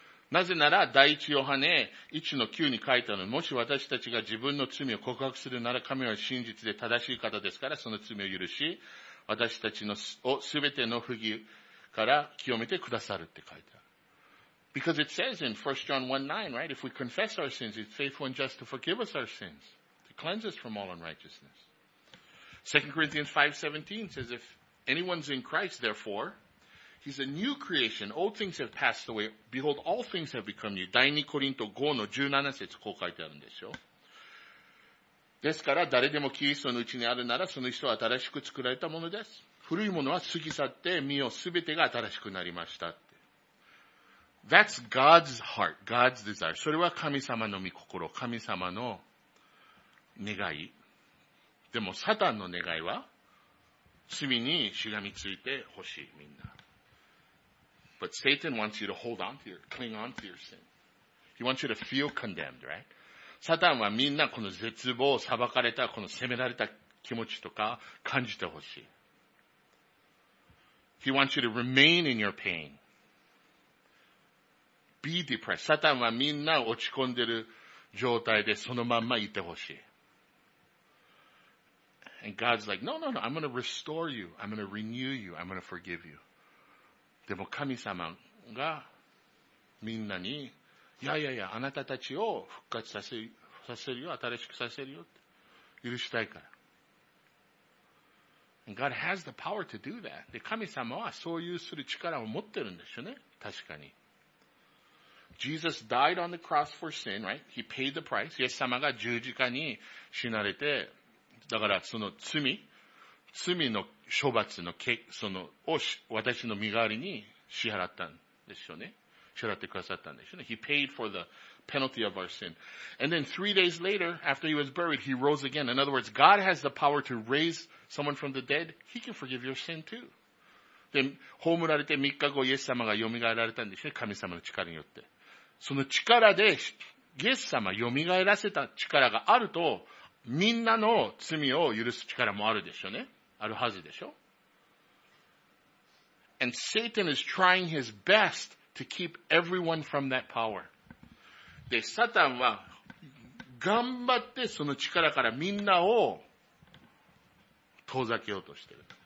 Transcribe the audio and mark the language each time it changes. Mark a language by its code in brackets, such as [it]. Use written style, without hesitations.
[ja] なぜなら、第一ヨハネ1の9に書いてあるの、もし私たちが自分の罪を告白するなら、神は真実で正しい方ですから、その罪を許し、私たちのをすべての不義から清めてくださるって書いてある。 [en] Because it says in 1 John 1:9, right? If we confess our sins, it's faithful and just to forgive us our sins, to cleanse us from all unrighteousness. 2 Corinthians 5:17 says, ifAnyone's in Christ, therefore, he's a new creation. Old things have passed away. Behold, all things have become new. [ja] 第2コリント5の17節こう書いてあるんですよ。ですから、誰でもキリストのうちにあるなら、その人は新しく作られたものです。古いものは過ぎ去って、身をすべてが新しくなりましたって。 [en] That's God's heart, God's desire. [ja] それは神様の御心、神様の願い。でも、サタンの願いは罪にしがみついてほしい、みんな。 [en] But Satan wants you to hold on to your, cling on to your sin. He wants you to feel condemned, right? [ja] サタンはみんなこの絶望、裁かれた、この責められた気持ちとか感じてほしい。 [en] He wants you to remain in your pain. Be depressed. [ja] サタンはみんな落ち込んでる状態でそのまんまいてほしい。 [en] And God's like, no, no, no, I'm going to restore you. I'm going to renew you. I'm going to forgive you. [ja] でも神様がみんなに、いやいやいや、あなたたちを復活させるよ、新しくさせるよって許したいから。 [en] And God has the power to do that. [ja] で、神様はそういうする力を持ってるんですよね。確かに。 [en] Jesus died on the cross for sin, right? He paid the price. [ja] イエス様が十字架に死なれて、だからその罪の処罰のを私の身代わりに支払ったんですよね。支払ってくださったんですよね。 [en] He paid for the penalty of our sin. And then 3 days later, after he was buried, he rose again. In other words, God has the power to raise someone from the dead. He can forgive your sin too. [ja] で、葬られて3日後、イエス様が蘇られたんですよね。神様の力によって。その力で、イエス様蘇らせた力があると、みんなの罪を許す力もあるでしょうね。あるはずでしょ。 [en] And Satan is trying his best to keep everyone from that power. [ja] で、サタンは頑張ってその力からみんなを遠ざけようとしてる。